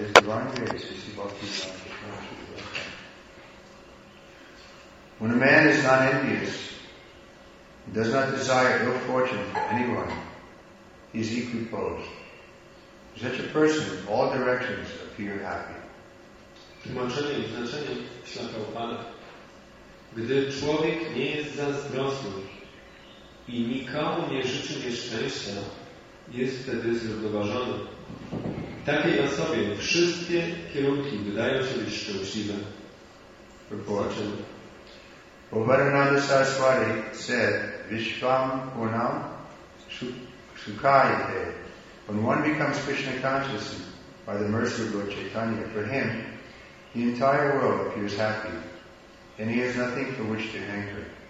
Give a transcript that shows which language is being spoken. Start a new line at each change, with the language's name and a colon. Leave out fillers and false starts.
English: blinded eyes to see both people and to turn to the Lord. When a man is not envious and does not desire ill fortune for anyone, he is equipoised. For such a person, all directions appear happy.
Polish: Tłumaczenie i znaczenie śla Prabhupada. Gdy człowiek nie jest zazdrosny i nikomu nie życzy nieszczęścia, jest wtedy zrównoważony. Takiej osobie wszystkie kierunki wydają się być szczęśliwe.
English: Prabhupada. Bhavananda Saraswati said,
Sanskrit: Vishvam Punam Sukhayate.
English: When one becomes Krishna conscious by the mercy of Lord Chaitanya, for him, the entire world appears happy, and he has nothing for which to hanker.